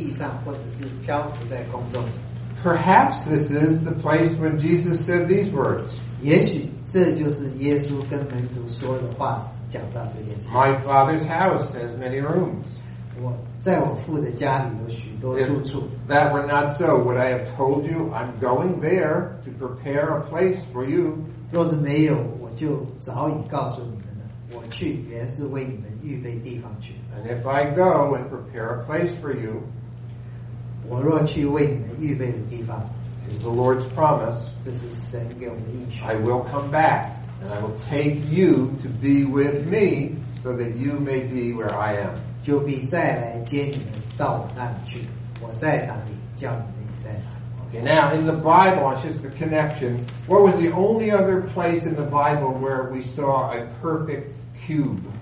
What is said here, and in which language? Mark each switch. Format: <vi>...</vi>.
<zh>所以我不确定这个新耶路撒冷是会立在地上，或者是漂浮在空中。</zh> <en>Perhaps this is the place when Jesus said these words.</en> <zh>也许这就是耶稣跟门徒说的话，讲到这件事。</zh> <en>My Father's house has many rooms.</en> <zh>我在我父的家里有许多住处。</zh> <en>If that were not so, would I have told you, I'm going there to prepare a place for you?</en> <zh>若是没有，我就早已告诉你们了，我去原是为你们预备地方去。</zh> <en>And if I go and prepare a place for you,</en> <zh>我若去为你们预备的地方,</zh> <en>is the Lord's promise,</en> <zh>这是神给我们的应许,</zh> <en>I will come back and I will take you to be with me so that you may be where I am.</en> <zh>就必再来接你们到我那里去，我在哪里，叫你们也在哪里。</zh> <en>Okay, now in the Bible, it's just the connection. What was the only other place in the Bible where we saw a perfect cube?</en>